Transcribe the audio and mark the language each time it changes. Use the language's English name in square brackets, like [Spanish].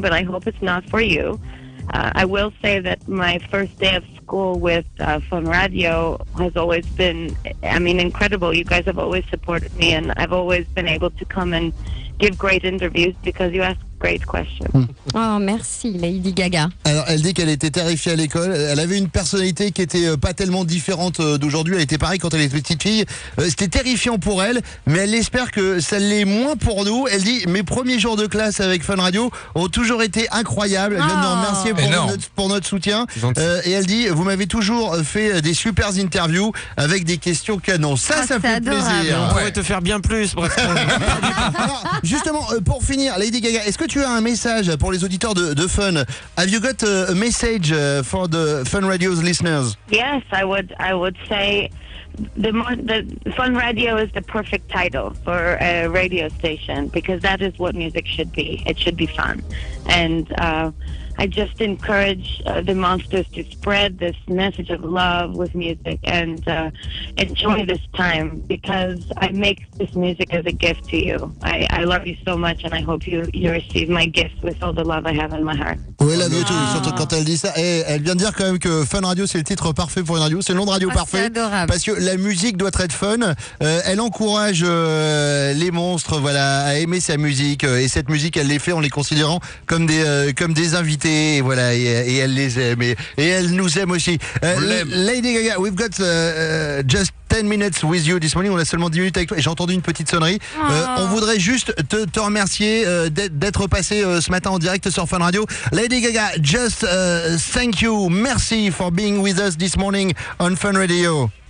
[English] But I hope it's not for you. I will say that my first day of school with Fun Radio has always been, incredible. You guys have always supported me, and I've always been able to come and give great interviews because you ask great questions. [French] Oh, merci, Lady Gaga. Alors, elle dit qu'elle était terrifiée à l'école. Elle avait une personnalité qui n'était pas tellement différente d'aujourd'hui. Elle était pareille quand elle était petite fille. C'était terrifiant pour elle, mais elle espère que ça l'est moins pour nous. Elle dit, mes premiers jours de classe avec Fun Radio ont toujours été incroyables. Oh. Non, merci pour notre soutien. Et elle dit, vous m'avez toujours fait des super interviews avec des questions canon. Ça, ça fait adorable. Plaisir. On pourrait te faire bien plus. Bref. Alors, justement, pour finir, Lady Gaga, est-ce que tu as un message pour les auditeurs de Fun? [English] Have you got a message for the Fun Radio's listeners? Yes, I would say the Fun Radio is the perfect title for a radio station because that is what music should be. It should be fun. And I just encourage the monsters to spread this message of love with music and enjoy this time because I make this music as a gift to you. I love you so much and I hope you receive my gift with all the love I have in my heart. [French] Oui, elle veut tout, surtout quand elle dit ça. Et elle vient de dire quand même que Fun Radio, c'est le titre parfait pour une radio. C'est le nom de radio parfait. C'est adorable. Parce que la musique doit être fun. Elle encourage les monstres à aimer sa musique. Et cette musique, elle les fait en les considérant comme des invités. Et elle les aime. Et elle nous aime aussi. [English] Lady Gaga, we've got just 10 minutes with you this morning. [French] On a seulement 10 minutes avec toi. Et j'ai entendu une petite sonnerie. On voudrait juste te remercier d'être passé ce matin en direct sur Fun Radio. [English] Lady Gaga, just thank you. [French] Merci [English] for being with us this morning on Fun Radio.